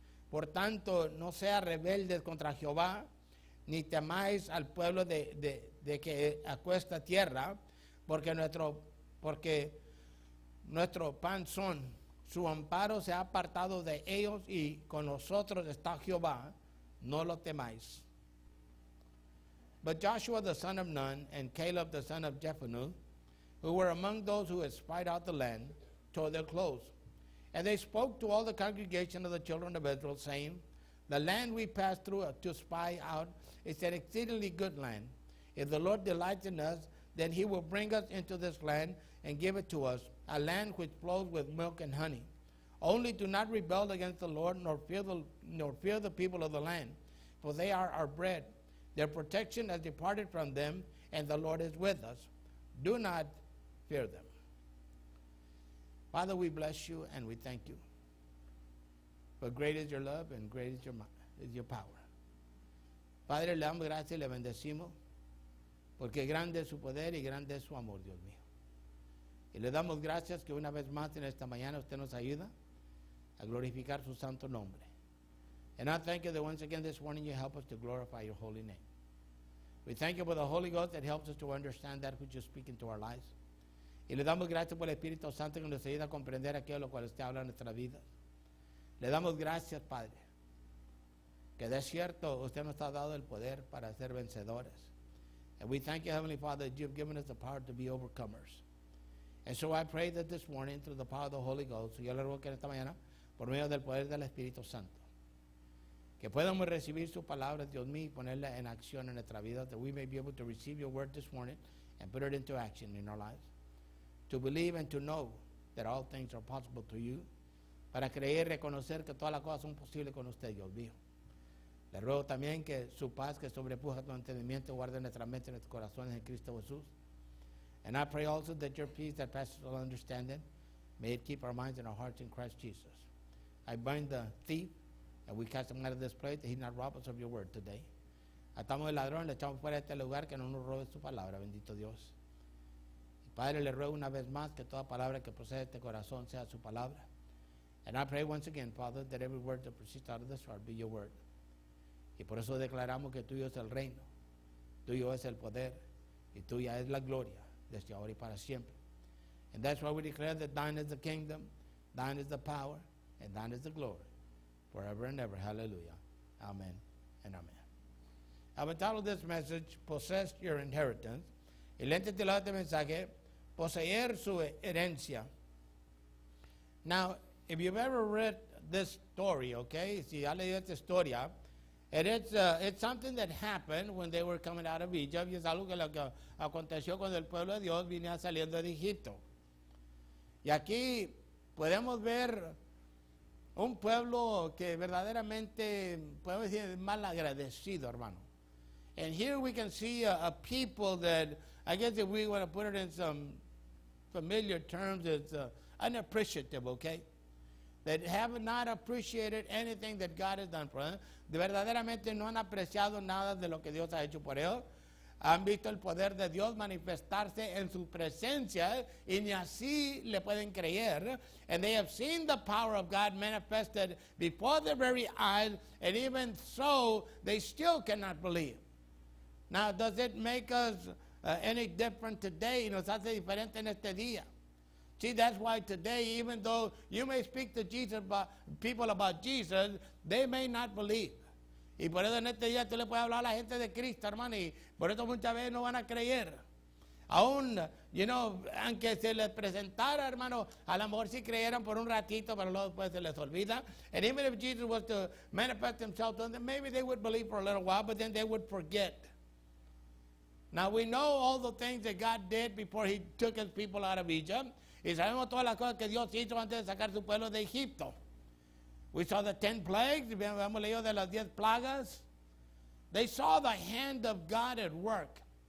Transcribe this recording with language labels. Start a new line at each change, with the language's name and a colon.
Spanish: Por tanto, no seas rebeldes contra Jehová, ni temáis al pueblo de que acuesta tierra, porque nuestro pan son, su amparo se ha apartado de ellos y con nosotros está Jehová, no lo temáis.
English: But Joshua the son of Nun and Caleb the son of Jephunneh, who were among those who had spied out the land, tore their clothes. And they spoke to all the congregation of the children of Israel, saying, the land we passed through to spy out is an exceedingly good land. If the Lord delights in us, then he will bring us into this land and give it to us, a land which flows with milk and honey. Only do not rebel against the Lord, nor fear the people of the land, for they are our bread. Their protection has departed from them, and the Lord is with us. Do not fear them. Father, we bless you and we thank you. For great is your love and great is your power.
Spanish: Padre, le damos gracias y le bendecimos, porque grande es su poder y grande es su amor, Dios mío. Y le damos gracias que una vez más en esta mañana usted nos ayuda a glorificar su santo nombre.
English: And I thank you that once again this morning you help us to glorify your holy name. We thank you for the Holy Ghost that helps us to understand that which you speak into our lives.
Spanish: Y le damos gracias por el Espíritu Santo que nos ayuda a comprender aquello lo cual usted habla en nuestra vida. Le damos gracias, Padre, que de cierto usted nos ha dado el poder para ser vencedores.
English: And we thank you, Heavenly Father, that you've given us the power to be overcomers. And so I pray that this morning, through the power of the Holy Ghost,
Spanish: yo le ruego que esta mañana, por medio del poder del Espíritu Santo, que podamos recibir su palabra, Dios mío, y ponerla en acción en nuestra vida.
English: That we may be able to receive your word this morning and put it into action in our lives. To believe and to know that all things are possible to you.
Spanish: Para creer y reconocer que todas las cosas son posibles con usted, Dios mío. Le ruego también que su paz que sobrepuja tu entendimiento guarde nuestra mente y nuestros corazones en Cristo Jesús.
English: And I pray also that your peace that passes all understanding may it keep our minds and our hearts in Christ Jesus. I bind the thief. And we cast him out of this place that he not rob us of your word today.
Spanish: Atamos el ladrón, le echamos fuera de este lugar que no nos robe su palabra, bendito Dios. Y Padre, le ruego una vez más que toda palabra que procede de este corazón sea su palabra.
English: And I pray once again, Father, that every word that proceeds out of this heart be your word.
Spanish: Y por eso declaramos que tuyo es el reino, tuyo es el poder, y tuya es la gloria, desde ahora y para siempre.
English: And that's why we declare that thine is the kingdom, thine is the power, and thine is the glory. Forever and ever. Hallelujah. Amen and amen. I've entitled this message, Possess Your Inheritance.
Spanish: Y le he titulado este mensaje, Poseer Su Herencia.
English: Now, if you've ever read this story, okay,
Spanish: si ha leído esta historia,
English: and it's something that happened when they were coming out of Egypt.
Spanish: Y es algo que lo que aconteció cuando el pueblo de Dios vino saliendo de Egipto. Y aquí podemos ver un pueblo que verdaderamente podemos decir mal agradecido, hermano.
English: And here we can see a people that, I guess if we want to put it in some familiar terms, it's unappreciative, okay? That have not appreciated anything that God has done for them.
Spanish: De verdaderamente no han apreciado nada de lo que Dios ha hecho por ellos. Han visto el poder de Dios manifestarse en su presencia y ni así le pueden creer.
English: And they have seen the power of God manifested before their very eyes, and even so, they still cannot believe. Now, does it make us any different today?
Spanish: ¿Nos hace diferente en este día?
English: See, that's why today, even though you may speak to Jesus people about Jesus, they may not believe.
Spanish: Y por eso en este día tú le puedes hablar a la gente de Cristo, hermano, y por eso muchas veces no van a creer. Aún,
English: you know,
Spanish: aunque se les presentara, hermano, a lo mejor sí creyeran por un ratito, pero luego después se les olvida.
English: And even if Jesus was to manifest himself to them, maybe they would believe for a little while, but then they would forget. Now we know all the things that God did before he took his people out of Egypt. Y sabemos todas las cosas que Dios hizo antes de sacar su pueblo de Egipto. We saw the 10 plagues.
Spanish: Hemos leído de las 10 plagas.
English: They saw the hand of God at work.